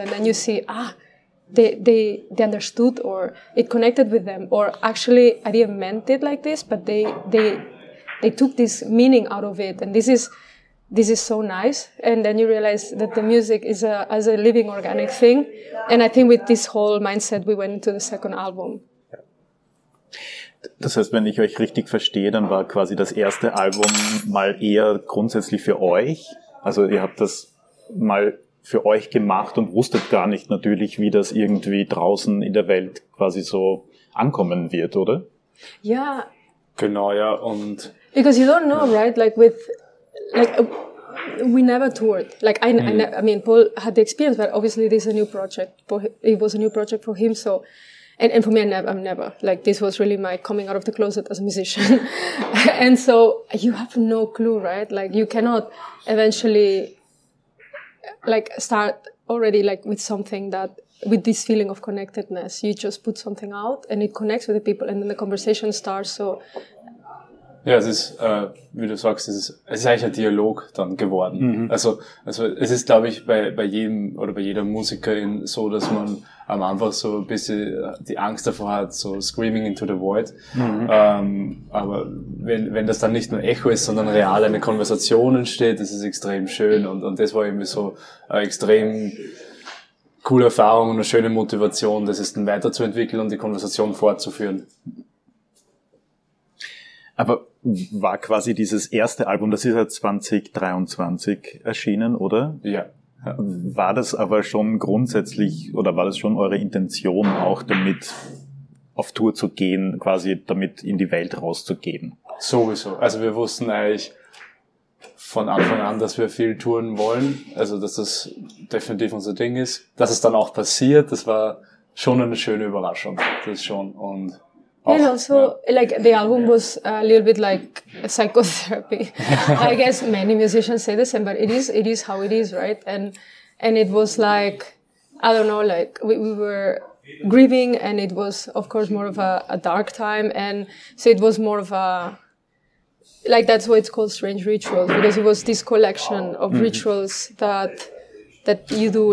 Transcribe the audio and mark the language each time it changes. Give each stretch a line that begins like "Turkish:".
English: And then you see, they understood, or it connected with them, or actually I didn't meant it like this, but they took this meaning out of it. And this is so nice. And then you realize that the music is a living organic thing. And I think with this whole mindset, we went into the second album.
German: Das heißt, wenn ich euch richtig verstehe, dann war quasi das erste Album mal eher grundsätzlich für euch. Also ihr habt das mal für euch gemacht und wusstet gar nicht natürlich, wie das irgendwie draußen in der Welt quasi so ankommen wird, oder? Ja. Genau, ja. Und
English: because you don't know, right? Like with, like we never toured. Like I mean, Paul had the experience, but obviously this is a new project. It was a new project for him, so. And for me, I'm never. Like, this was really my coming out of the closet as a musician. And so you have no clue, right? Like, you cannot eventually, like, start already, like, with something that, with this feeling of connectedness. You just put something out and it connects with the people and then the conversation starts. So.
German: Yeah, wie du sagst, es ist eigentlich ein Dialog dann geworden. Mm-hmm. Also, es ist, glaube ich, bei jedem oder bei jeder Musikerin so, dass man am Anfang so ein bisschen die Angst davor hat, so
English: screaming into the void.
German: Mm-hmm. Aber wenn das dann nicht nur Echo ist, sondern real eine Konversation entsteht, das ist extrem schön. Und das war irgendwie so eine extrem coole Erfahrung und eine schöne Motivation, das ist dann weiterzuentwickeln und die Konversation fortzuführen. Aber war quasi dieses erste Album, das ist ja 2023 erschienen, oder? Ja. War das aber schon grundsätzlich, oder war das schon eure Intention, auch damit auf Tour zu gehen, quasi damit in die Welt rauszugehen? Sowieso. Also wir wussten eigentlich von Anfang an, dass wir viel touren wollen, also dass das definitiv unser Ding ist. Dass es dann auch passiert, das war schon eine schöne Überraschung, das schon. Und
English: yeah, also like the album was a little bit like psychotherapy. I guess many musicians say the same, but it is how it is, right? And it was like, I don't know, like we were grieving, and it was of course more of a dark time, and so it was more of a, like, that's why it's called Strange Rituals, because it was this collection of rituals that you do.